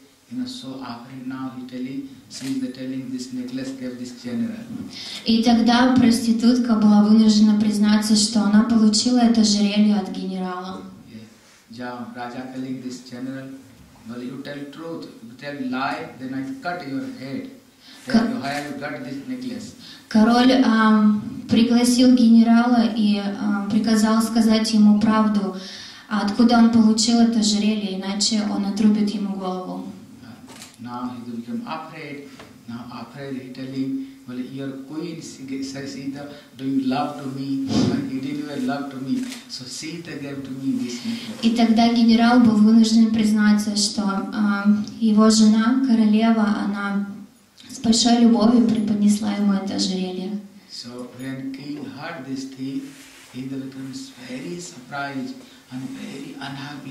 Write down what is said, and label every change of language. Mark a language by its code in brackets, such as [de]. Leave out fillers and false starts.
[en] You know, so after now he telling, since the telling this necklace gave this general. [ru] И тогда проститутка была вынуждена признаться, что она получила это ожерелье от генерала. [en] Raja telling this general, well, you tell truth, you tell lie, then I cut your head. Why you got this necklace? [ru] Король пригласил генерала и приказал сказать ему правду, откуда он получил это ожерелье, иначе он отрубит ему голову. [en] Now he became afraid. Now afraid, he telling, well, your queen says either do you love to me? He didn't even love to me. So she gave to me this necklace. [ru] И тогда генерал был вынужден признаться, что его жена, королева, она с большой любовью преподнесла ему это ожерелье. [en] So when king heard this thing, he became very surprised and very unhappy.